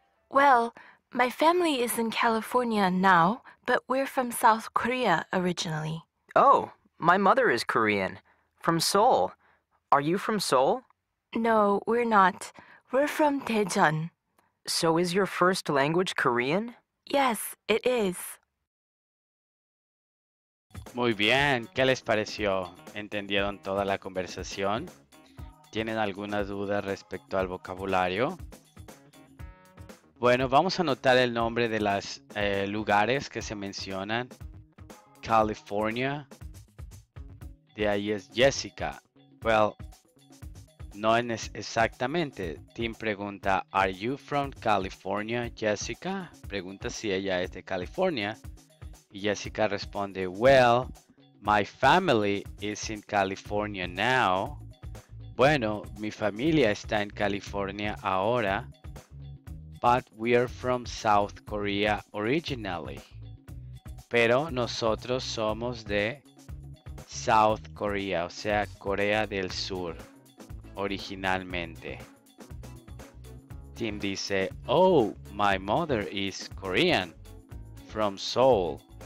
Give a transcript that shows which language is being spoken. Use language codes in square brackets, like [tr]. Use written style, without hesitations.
[en] Well, my family is in California now, but we're from South Korea originally. Oh, my mother is Korean. From Seoul. Are you from Seoul? No, we're not. We're from Daejeon. So is your first language Korean? Yes, it is. [es] Muy bien, ¿qué les pareció? ¿Entendieron toda la conversación? ¿Tienen alguna duda respecto al vocabulario? Bueno, vamos a anotar el nombre de los lugares que se mencionan. California. De ahí es Jessica. Well, no es exactamente. [en] Tim pregunta, ¿Are you from California, Jessica? [es] Pregunta si ella es de California. Y Jessica responde, [en] well, my family is in California now. [es] Bueno, mi familia está en California ahora. [en] But we are from South Korea originally. [es] Pero nosotros somos de South Korea, o sea, Corea del Sur, originalmente. [en] Tim dice, oh, my mother is Korean, from Seoul.